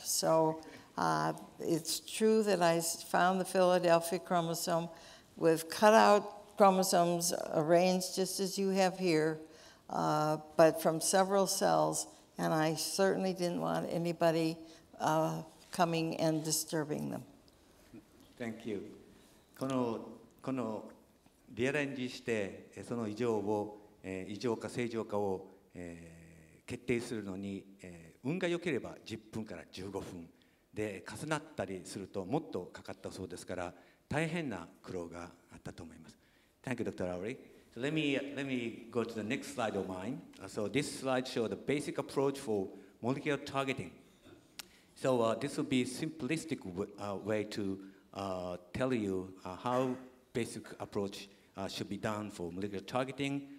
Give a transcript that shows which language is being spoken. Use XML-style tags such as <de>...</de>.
<en>So it's true that I found the Philadelphia chromosome. With cutout chromosomes arranged just as you have here, but from several cells, and I certainly didn't want anybody coming and disturbing them. Thank you.</en> <ja>このリアレンジしてその異常か正常かを決定するのに運が良ければ10分から15分で重なったりするともっとかかったそうですから。大変な苦労があったと思います。</ja> <en>Thank you, Dr. Rowley. So let me go to the next slide of mine. So this slide shows the basic approach for molecular targeting. So this will be a simplistic way to tell you how basic approach should be done for molecular targeting.</en>